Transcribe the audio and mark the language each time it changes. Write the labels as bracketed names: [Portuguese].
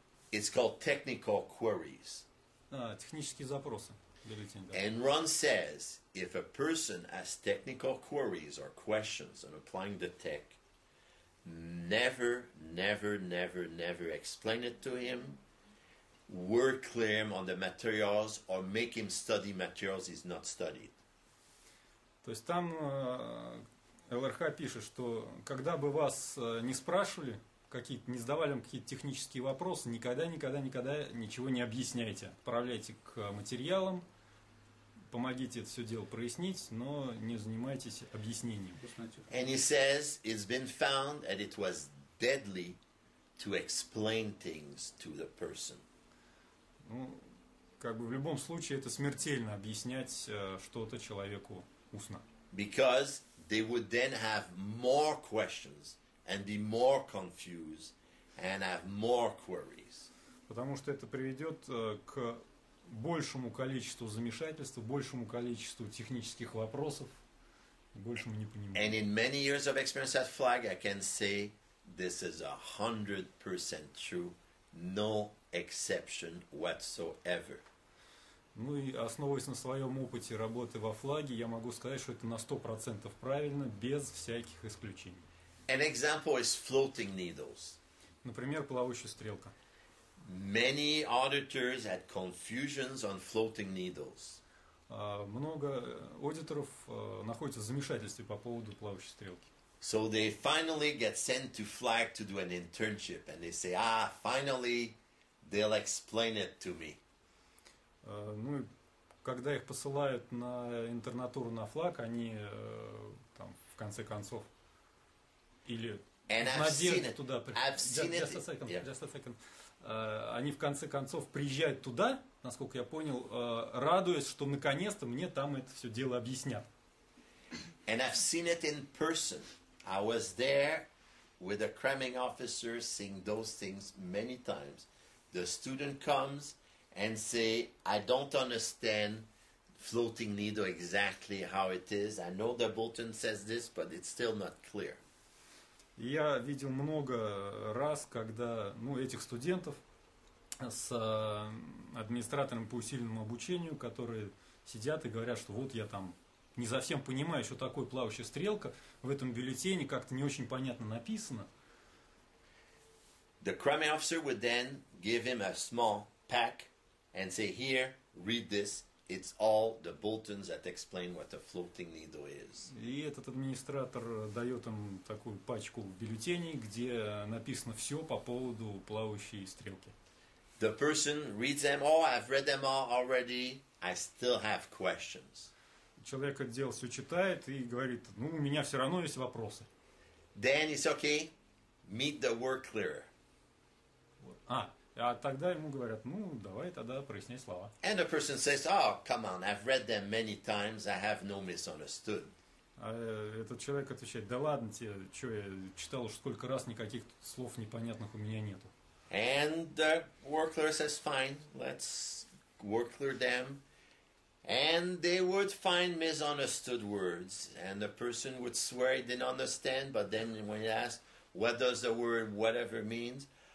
[English] It's called Technical Queries. And Ron says, if a person has technical queries or questions on applying the tech, never, never, never, never explain it to him. Work claim on the materials or make him study materials he's not studied. [Russian] То есть там ЛРХ пишет, что когда бы вас не спрашивали, какие-то, не задавали вам какие-то технические вопросы, никогда, никогда, никогда ничего не объясняйте. Отправляйте к материалам, помогите это все дело прояснить, но не занимайтесь объяснением. [English] And he says it's been found that it was deadly to explain things to the person. [Russian] Ну, как бы в любом случае это смертельно объяснять что-то человеку устно. [English] Because they would then have more questions and be more confused and have more queries. [Russian] Потому что это приведет к большему количеству замешательств, большему количеству технических вопросов, большему непониманию. [English] And in many years of experience at Flag, I can say this is 100% true. No exception whatsoever. [Russian] Ну и основываясь на своем опыте работы во флаге, я могу сказать, что это на 100% правильно, без всяких исключений. [English] An example is floating needles. [Russian] Например, плавающая стрелка. [English] Many auditors had confusions on floating needles. [Russian] Много аудиторов находятся в замешательстве по поводу плавающей стрелки. [English] So they finally get sent to Flag to do an internship, and they say, ah, finally, they'll explain it to me. [Russian] Ну, когда их посылают на интернатуру на Флаг, они там в конце концов или надеются туда. [English] I've seen it. Just a second. Yeah. [Russian] они в конце концов приезжают туда, насколько я понял, радуясь, что наконец-то мне там это все дело объяснят. [English] And I've seen it in person. I was there with a cramming officer seeing those things many times. The student comes and say, I don't understand floating needle exactly how it is. I know the bulletin says this, but it's still not clear. [Russian] Я видел много раз, когда, ну, этих студентов с администратором по усиленному обучению, которые сидят и говорят, что вот я там не совсем понимаю, что такое плавающая стрелка, в этом бюллетене как-то не очень понятно написано. [English] The cramming officer would then give him a small pack and say, here, read this. It's all the bulletins that explain what a floating needle is. [Russian] И этот администратор дает им такую пачку бюллетеней, где написано все по поводу плавающей стрелки. [English] The person reads them all. Oh, I've read them all already. I still have questions. [Russian] Человек это дело все читает и говорит, ну, у меня все равно есть вопросы. [English] Then it's okay. Meet the word clearer. [Russian] А тогда ему говорят, ну, давай тогда проясняй слова. [English] And the person says, oh, come on, I've read them many times, I have no misunderstood. [Russian] А этот человек отвечает, да ладно тебе, что я читал уж сколько раз, никаких слов непонятных у меня нету. [English] And the worker says, fine, let's work through them. And they would find misunderstood words, and the person would swear he didn't understand, but then when he asked, what does the word whatever means?